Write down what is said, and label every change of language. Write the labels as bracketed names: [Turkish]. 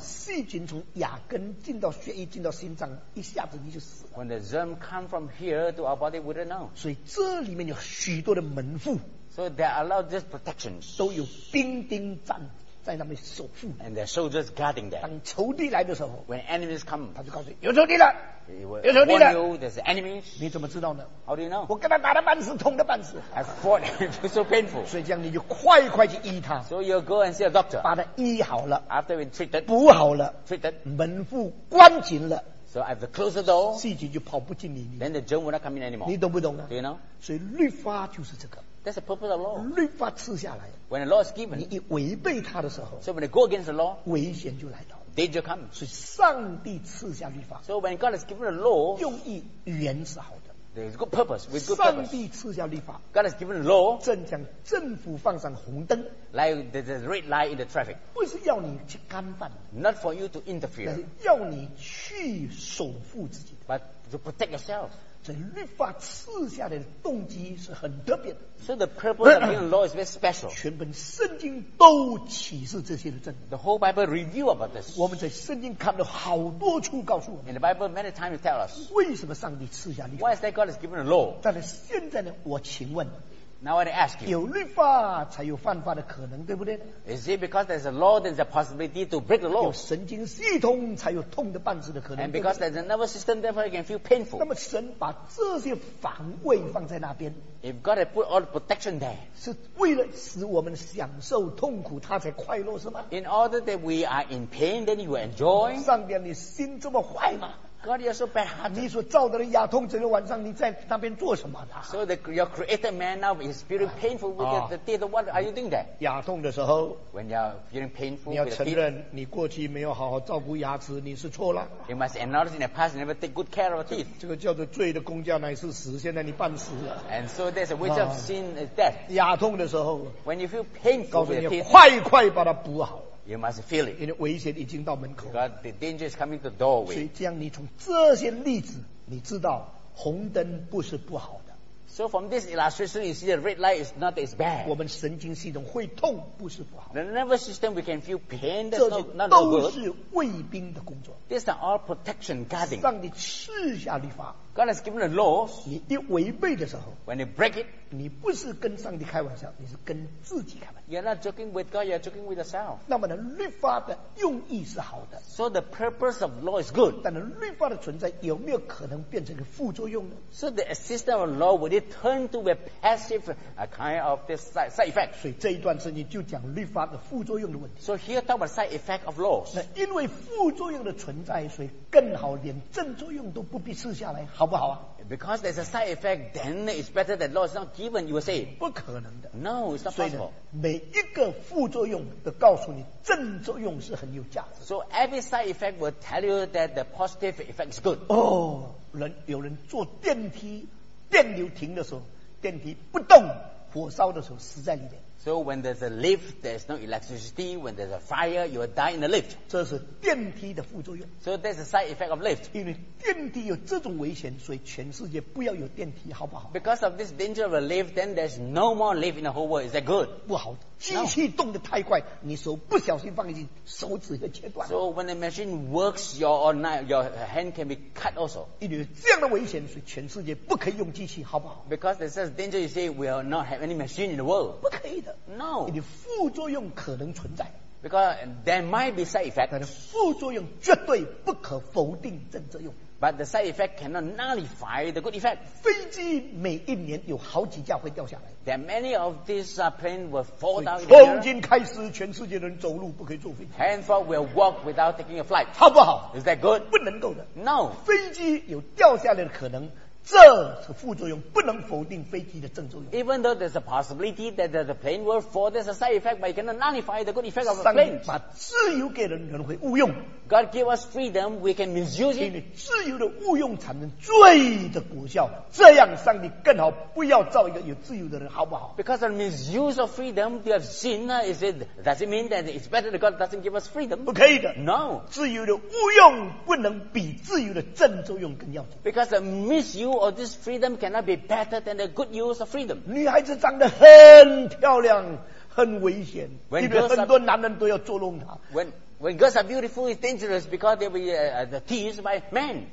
[Chinese] 细菌从牙根进到血液，进到心脏，一下子你就死了。 [English] When the germ come from here to our body, we wouldn't know. [Chinese] 所以这里面有许多的门户。 [English] So there are a lot of these protections. [Chinese] 都有兵丁站在那边守护。 [English] And there are soldiers guarding there. [Chinese] 当仇敌来的时候 [English] ，When enemies come, [Chinese] 他就告诉你有仇敌了。有仇敌了。 [English] Warn you, there's enemies. [Chinese] 你怎么知道呢 [English] ？How do you know? [Chinese] 我跟他打的半死，痛的半死。 [English] I fought him, so painful. [Chinese] 所以这样你就快快去医他。 [English] So you go and see a doctor. [Chinese] 把他医好了。 [English] After we treated. [Chinese] 补好了。 [English] Treated. [Chinese] 门户关紧了。 [English] So I have to close the door. [Chinese] 细菌就跑不进你。 [English] Then the germ will not come in anymore. [Chinese] 你懂不懂啊 [English] ？Do you know? [Chinese] 所以律法就是这个。 [English] That's the purpose of law. [Chinese] 律法赐下来。 [English] When the law is given. [Chinese] 你一违背它的时候。 [English] So when you go against the law. [Chinese] 危险就来到。 [English] Danger comes. [Chinese] 所以上帝赐下律法。 [English] So when God has given the law. [Chinese] 用意原是好的。 [English] There's a good purpose with good purpose. [Chinese] 上帝赐下律法。 [English] God has given the law. [Chinese] 正将政府放上红灯。 [English] Like there's a red light in the traffic. [Chinese] 不是要你去干犯。 [English] Not for you to interfere. [Chinese] 但是要你去守护自己。 [English] But to protect yourself. [Chinese] 所以律法赐下来的动机是很特别的。 [English] So the purpose of the law is very special. [Chinese] 全本圣经都启示这些的真理。 [English] The whole Bible review about this. [Chinese] 我们在圣经看到好多处告诉我们。 [English] In the Bible many times tell us. [Chinese] 为什么上帝赐下律法 [English] ？Why is that God has given the law? [Chinese] 但是现在呢，我请问。 [English] Now I ask you. [Chinese] 有律法才有犯法的可能，对不对 [English] ？Is it because there's a law, there's a possibility to break the law? [Chinese] 有神经系统才有痛的半死的可能。 [English] And because there's a nervous system, therefore you can feel painful. [Chinese] 那么神把这些防卫放在那边 [English] ？If God had put all the protection there, [Chinese] 是为了使我们享受痛苦，他才快乐是吗 [English] ？In order that we are in pain, then you enjoy. [Chinese] 上帝，你心这么坏吗？ [English] God, you're so bad. [Chinese] 你所造的人牙痛，整个晚上你在那边做什么呢 [English] ？So the, your created man now is feeling painful with the dead. What are you doing there? [Chinese] 牙痛的时候 [English] ，when you're feeling painful, [Chinese] 你要承认你过去没有好好照顾牙齿，你是错了。 [English] You must acknowledge in the past you never take good care of your teeth. [Chinese] 这个叫做罪的工价乃是死，现在你半死了。 [English] And so there's a wage of sin is death. [Chinese] 牙痛的时候 [English] ，when you feel painful, [Chinese] 告诉你快快把它补好。 [English] You must feel it. [Chinese] 因为危险已经到门口。 [English] Because the danger is coming to the doorway. [Chinese] 所以这样，你从这些例子，你知道红灯不是不好的。 [English] So from this illustration, you see the red light is not that it's bad. [Chinese] 我们神经系统会痛不是不好。 [English] The nervous system we can feel pain. That's not good. [Chinese] 这都是卫兵的工作。 [English] These are all protection guarding. [Chinese] 上帝赐下律法。 [English] God has given the laws. [Chinese] 你一违背的时候 [English] ，when you break it， [Chinese] 你不是跟上帝开玩笑，你是跟自己开玩笑。 [English] You're not joking with God, you're joking with yourself. [Chinese] 那么呢，律法的用意是好的。 [English] So the purpose of law is good. [Chinese] 但是律法的存在有没有可能变成一个副作用呢 [English] ？So the existence of law would it turn to a passive a kind of this side effect? [Chinese] 所以这一段圣经就讲律法的副作用的问题。 [English] So here talk about side effect of laws. [Chinese] 那因为副作用的存在，所以更好连正作用都不必试下来。好不好啊 [English] Because there's a side effect, then it's better that law is not given. You will say, [Chinese] 不可能的 [English] No, it's not possible. [Chinese] 每一个副作用都告诉你正作用是很有价值 [English] So every side effect will tell you that the positive effect is good. [Chinese] 哦、oh, ，人有人坐电梯，电流停的时候，电梯不动，火烧的时候死在里面。 [English] So when there's a lift, there's no electricity. When there's a fire, you will die in the lift. [Chinese] 这是电梯的副作用。 [English] So that's the side effect of lift. [Chinese] 因为电梯有这种危险，所以全世界不要有电梯，好不好 [English] ？Because of this danger of a lift, then there's no more lift in the whole world. Is that good? [Chinese] 不好，机器动得太快，你手不小心放进去，手指就切断了。 [English] So when the machine works, your hand can be cut also. [Chinese] 因为这样的危险，所以全世界不可以用机器，好不好 [English] ？Because there's such danger, you say we will not have any machine in the world. [Chinese] 不可以的。 [English] No, [Chinese] 你副作用可能存在 [English] ，because there might be side effects. [Chinese] 但是副作用绝对不可否定正作用。 [English] But the side effect cannot nullify the good effect. [Chinese] 飞机每一年有好几架会掉下来。 [English] There are many of these planes will fall down. [Chinese] 从今开始，全世界人走路不可以坐飞机。 [English] Henceforth, we'll walk without taking a flight. [Chinese] 好不好 [English] ？Is that good? [Chinese] 不能够的。 [English] No, [Chinese] 飞机有掉下来的可能。这是副作用，不能否定飞机的正作用。 [English] Even though there's a possibility that the plane will fall, there's a side effect, but you cannot nullify the good effect of the plane. [Chinese] 把自由给人，人会误用。 [English] God gave us freedom, we can misuse it. [Chinese] 因为自由的误用产生罪的果效，这样上帝更好不要造一个有自由的人，好不好 [English] ？Because the misuse of freedom, you have sinned. Is it? Does it mean that it's better that God doesn't give us freedom? [Chinese] 不可以的。 [English] No. [Chinese] 自由的误用不能比自由的正作用更要紧。 [English] Because the misuse or this freedom cannot be better than the good use of freedom. [Chinese] 女孩子长得很漂亮，很危险，因为很多男人都要捉弄她。 [English] When girls are beautiful, it's dangerous because they will be teased by men.